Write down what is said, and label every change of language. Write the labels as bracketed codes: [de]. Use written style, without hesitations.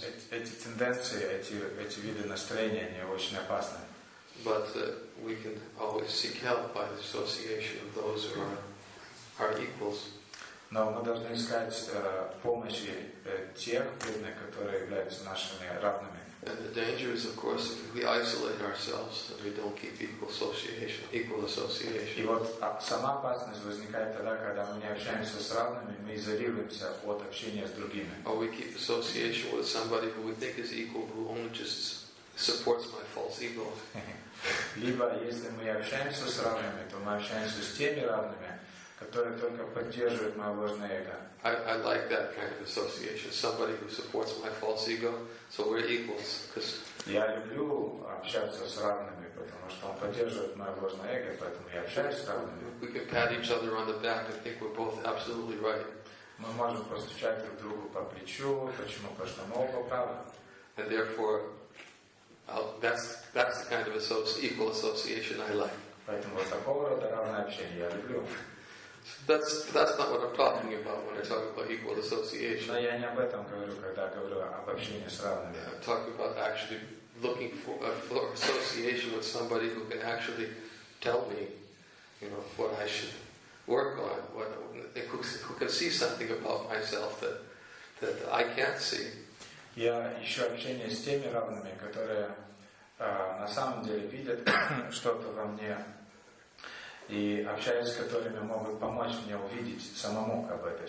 [ru] Эти тенденции, эти виды настроения, они очень опасны. [en] But we can always seek help by the association of those who are our equals. [ru] Но мы должны искать помощи тех людей, которые являются нашими равными. [en] And the danger is, of course, if we isolate ourselves and we don't keep equal association. [ru] И вот сама опасность возникает тогда, когда мы не общаемся с равными, мы изолируемся от общения с другими. [en] Or we keep association with somebody who we think is equal, who only just supports my false ego. [ru] Либо если мы общаемся с равными, то мы общаемся с теми равными, которое только поддерживает мое ложное эго. [en] I like that kind of association. Somebody who supports my false ego, so we're equals. [ru] Я люблю общаться с равными, потому что он поддерживает мое ложное эго, поэтому я общаюсь с равными. [en] We can pat each other on the back and think we're both absolutely right. [ru] Мы можем постучать друг другу по плечу, почему, потому что мы оба правы. [en] And therefore, that's the kind of equal association I like. [ru] Поэтому такого рода равное общение я люблю. [en] That's not what I'm talking about when I talk about equal association. [ru] Но я не об этом говорю, когда говорю об общении с равными. [en] I'm talking about actually looking for association with somebody who can actually tell me, you know, what I should work on, who can see something about myself that I can't see. [ru] Я ищу общение с теми равными, которые на самом деле видят что-то во мне. И общаясь с которыми могут помочь мне увидеть самому об этой